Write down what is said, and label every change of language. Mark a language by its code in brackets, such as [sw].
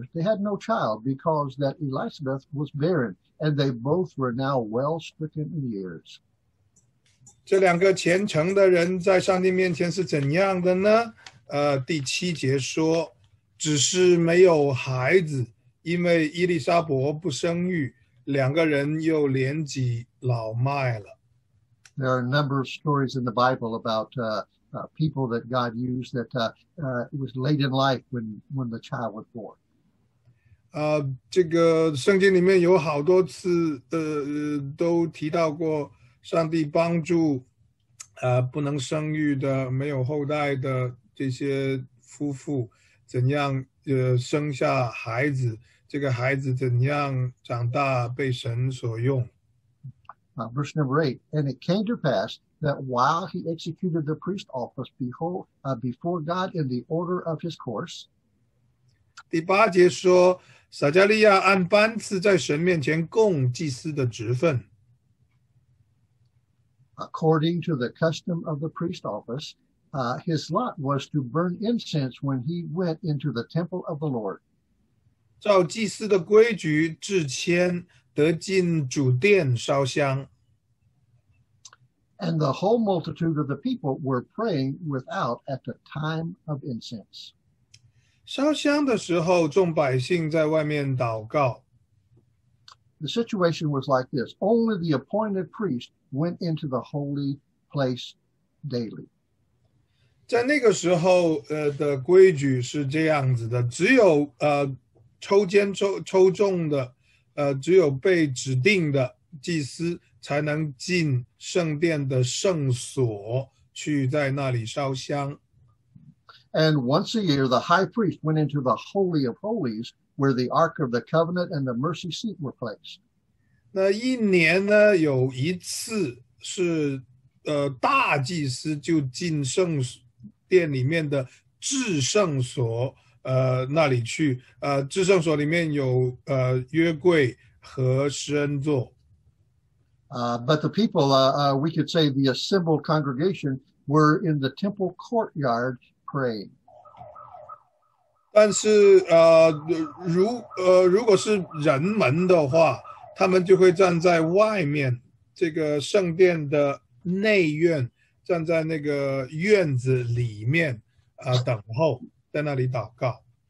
[en] They had no child because that Elisabeth was barren, and they both were now well stricken in years. [zh] 这两个虔诚的人在上帝面前是怎样的呢？第七节说，只是没有孩子，因为伊丽莎伯不生育，两个人又年纪老迈了。 [en] There are a number of stories in the Bible about people that God used that it was late in life when the child was born. [zh] 这个圣经里面有好多次都提到过上帝帮助不能生育的没有后代的这些夫妇怎样生下孩子，这个孩子怎样长大被神所用。 [en] Verse number 8, and it came to pass that while he executed the priest office before God in the order of his course. [zh] 第八节说，撒加利亚按班次在神面前供祭司的职分。 [en] According to the custom of the priest office, his lot was to burn incense when he went into the temple of the Lord. [zh] 照祭司的规矩，至谦得进主殿烧香。 [en] And the whole multitude of the people were praying without at the time of incense. [zh] 烧香的时候，众百姓在外面祷告。 [en] The situation was like this. Only the appointed priest went into the holy place daily. [zh] 在那个时候的规矩是这样子的，只有抽中的只有被指定的祭司才能进圣殿的圣所去在那里烧香。 [en] And once a year, the high priest went into the Holy of Holies, where the Ark of the Covenant and the Mercy Seat were placed. [zh] 那一年呢，有一次是大祭司就进圣殿里面的至圣所那里去，至圣所里面有约柜和施恩座。 [en] But the people, we could say the assembled congregation, were in the temple courtyard praying. [zh] 但是如果是人们的话，他们就会站在外面，这个圣殿的内院，站在那个院子里面等候，在那里祷告。